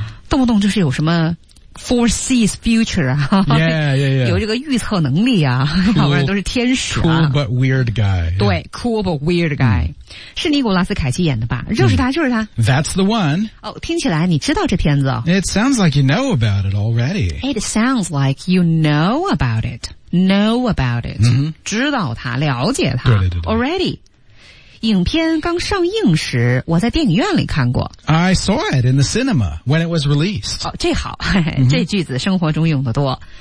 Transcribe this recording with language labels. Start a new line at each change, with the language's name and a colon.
Chinese: 动不动就是有什么
English: foresees future. Yeah.
Chinese: 有这个预测能力啊，好多人都是天使啊。
English: Cool but weird guy. 对 ,cool but weird guy.
Chinese: 是尼古拉斯凯奇演的吧？就是他。
English: That's the one.
Chinese: 哦，听起来你知道这片子。
English: It sounds like you know about it already. It sounds like you know about it. Know about it.、 Mm-hmm.
Chinese: 知道他，了解他。对。
English: Already.
Chinese: 影片刚上映时我在电影院里看过。
English: I saw it in the cinema when it was released.
Chinese: 哦，这好，这句子生活中用得多。